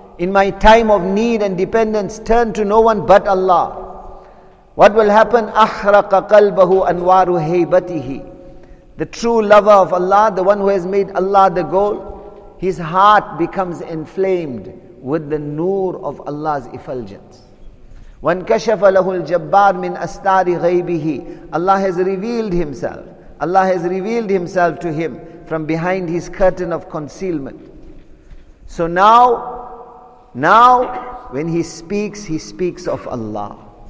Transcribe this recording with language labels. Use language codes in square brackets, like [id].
[en] In my time of need and dependence, turn to no one but Allah. What will happen? [ar] أَحْرَقَ قَلْبَهُ أَنْوَارُ هَيْبَتِهِ [en] The true lover of Allah, the one who has made Allah the goal, his heart becomes inflamed with the noor of Allah's effulgence. [ar] وَانْكَشَفَ لَهُ الْجَبَّارِ مِنْ أَسْتَارِ غَيْبِهِ [en] Allah has revealed himself. Allah has revealed himself to him from behind his curtain of concealment. So now when he speaks of Allah.